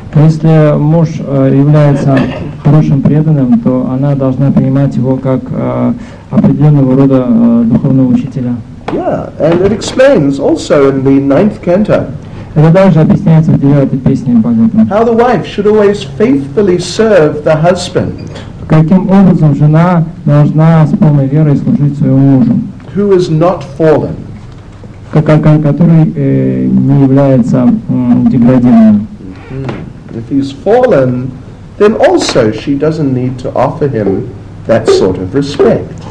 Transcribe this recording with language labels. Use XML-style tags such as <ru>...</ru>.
<ru>Если муж является хорошим преданным, то она должна принимать его как определенного рода духовного учителя.</ru> <en>Yeah, and it explains also in the ninth canto.</en> <ru>Это также объясняется в девятой песне Бхагаватам.</ru> <en>How the wife should always faithfully serve the husband.</en> <ru>Каким образом жена должна с полной верой служить своему мужу?</ru> <en>Who is not fallen?</en> <ru>Который не является деградированным. Mm-hmm.</ru> <en>If he's fallen, then also she doesn't need to offer him that sort of respect.</en>